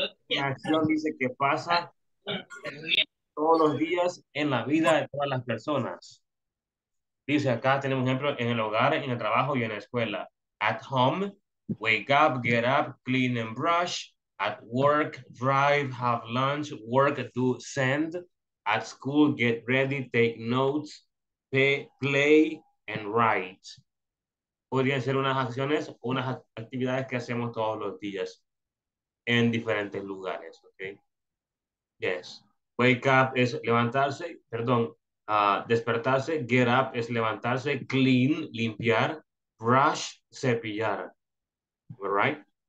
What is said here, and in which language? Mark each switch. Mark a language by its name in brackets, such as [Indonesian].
[Spanish] Una acción, dice, que pasa todos los días en la vida de todas las personas. Dice acá, tenemos ejemplo, en el hogar, en el trabajo y en la escuela. [English] At home, wake up, get up, clean and brush. At work, drive, have lunch, work, do, send. At school, get ready, take notes, pay, play, and write. [Spanish] Podrían ser unas acciones, unas actividades que hacemos todos los días en diferentes lugares, okay? Yes. Wake up es levantarse, perdón, despertarse. Get up es levantarse. Clean, limpiar. Brush, cepillar. [English] All right?